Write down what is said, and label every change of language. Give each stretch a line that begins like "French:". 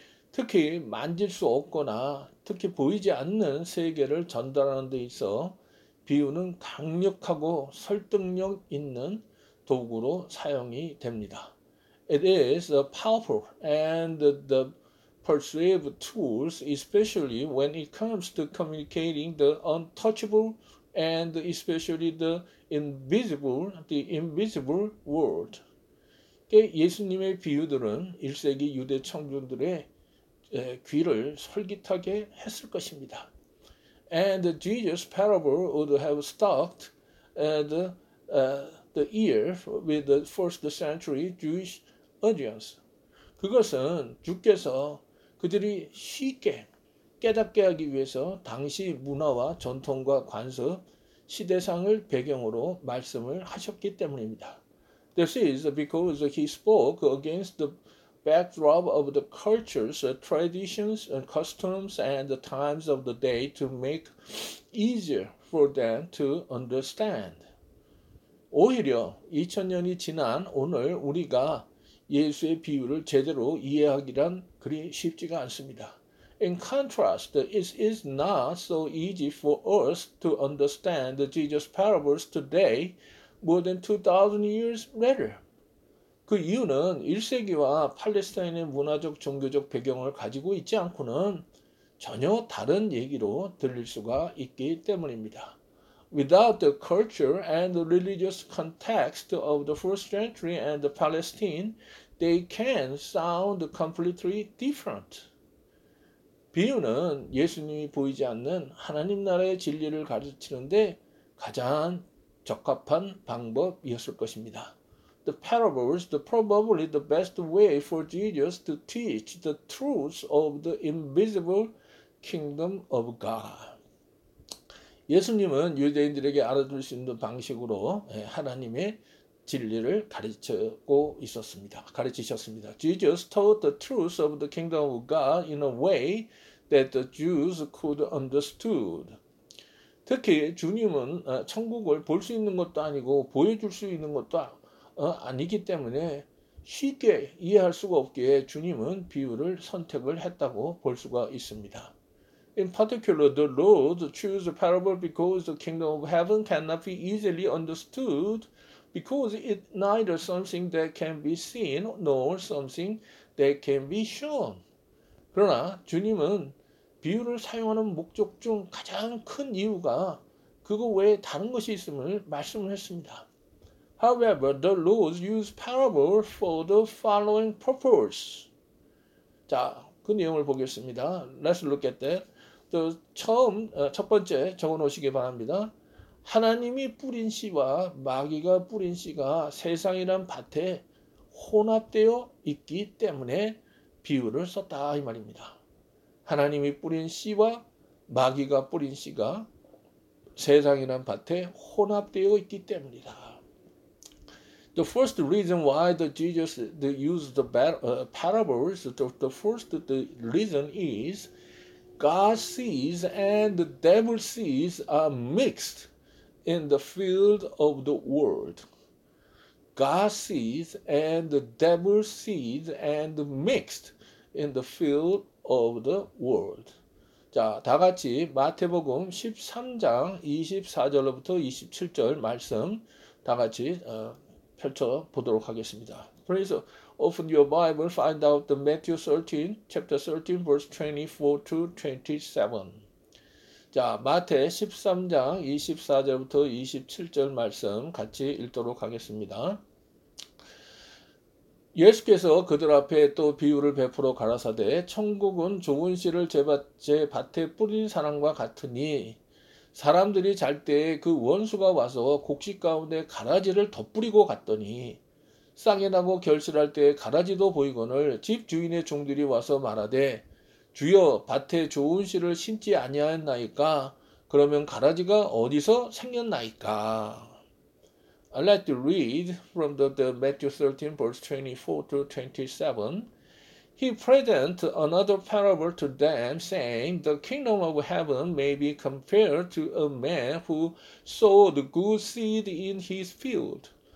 Korean: 특히 만질 수 없거나 특히 보이지 않는 세계를 전달하는 데 있어 비유는 강력하고 설득력 있는 도구로 사용이 됩니다.
English: It is a powerful and the persuasive tools, especially when it comes to communicating the untouchable and especially the invisible, world.
Korean: 예수님의 비유들은 1세기 유대 청중들의 귀를 설깃하게 했을 것입니다.
English: And Jesus' parable would have stopped at the ear with the first century Jewish audience.
Korean: 그것은 주께서 그들이 쉽게 깨닫게 하기 위해서 당시 문화와 전통과 관습, 시대상을 배경으로 말씀을 하셨기 때문입니다.
English: This is because he spoke against the backdrop of the cultures, traditions, and customs and the times of the day to make easier for them to understand.
Korean: 오히려 2000년이 지난 오늘 우리가 예수의 비유를 제대로 이해하기란 그리 쉽지가 않습니다.
English: In contrast, it is not so easy for us to understand Jesus' parables today more than 2,000 years later.
Korean: 그 이유는 1세기와 팔레스타인의 문화적, 종교적 배경을 가지고 있지 않고는 전혀 다른 얘기로 들릴 수가 있기 때문입니다.
English: Without the culture and the religious context of the first century and the Palestine, they can sound completely different.
Korean: 비유는 예수님이 보이지 않는 하나님 나라의 진리를 가르치는데 가장 적합한 방법이었을 것입니다.
English: The parables are probably the best way for Jesus to teach the truths of the invisible kingdom of God.
Korean: 예수님은 유대인들에게 알아들을 수 있는 방식으로 하나님의 진리를 가르치고 있었습니다. 가르치셨습니다.
English: Jesus taught the truths of the kingdom of God in a way that the Jews could understood.
Korean: 특히 주님은 천국을 볼 수 있는 것도 아니고 보여줄 수 있는 것도 아니기 때문에 쉽게 이해할 수가 없기에 주님은 비유를 선택을 했다고 볼 수가 있습니다.
English: In particular, the Lord chose a parable because the kingdom of heaven cannot be easily understood because it neither something that can be seen nor something that can be shown.
Korean: 그러나 주님은 비유를 사용하는 목적 중 가장 큰 이유가 그거 외에 다른 것이 있음을 말씀을 했습니다.
English: However, the Lord used parable for the following purpose.
Korean: 자, 그 내용을 보겠습니다.
English: Let's look at that.
Korean: 첫 번째 적어 놓으시기 바랍니다. 하나님이 뿌린 씨와 마귀가 뿌린 씨가 세상이란 밭에 혼합되어 있기 때문에 비유를 썼다 이 말입니다. 하나님이 뿌린 씨와 마귀가 뿌린 씨가 세상이란 밭에 혼합되어 있기 때문이다.
English: The first reason why Jesus used the parables, the reason is God sees and the devil sees are mixed in the field of the world. God sees and the devil sees and mixed in the field of the world.
Korean: 자, 다 같이 마태복음 13장 24절로부터 27절 말씀 다 같이 펼쳐 보도록 하겠습니다.
English: Please open your Bible, find out the Matthew 13, chapter 13, verse 24 to 27.
Korean: 자, 마태 13장 24절부터 27절 말씀 같이 읽도록 하겠습니다. 예수께서 그들 앞에 또 비유를 베풀어 가라사대, 천국은 좋은 씨를 제 밭에 뿌린 사람과 같으니, 사람들이 잘 때에 그 원수가 와서 곡식 가운데 가라지를 덧뿌리고 갔더니, 싹이 나고 결실할 때 가라지도 보이거늘 집 주인의 종들이 와서 말하되, 주여, 밭에 좋은 씨를 심지 아니하였나이까? 그러면 가라지가 어디서 생겼나이까?
English: I'd like to read from the Matthew 13, verse 24 to 27. He presents another parable to them, saying, "The kingdom of heaven may be compared to a man who sowed good seed in his field.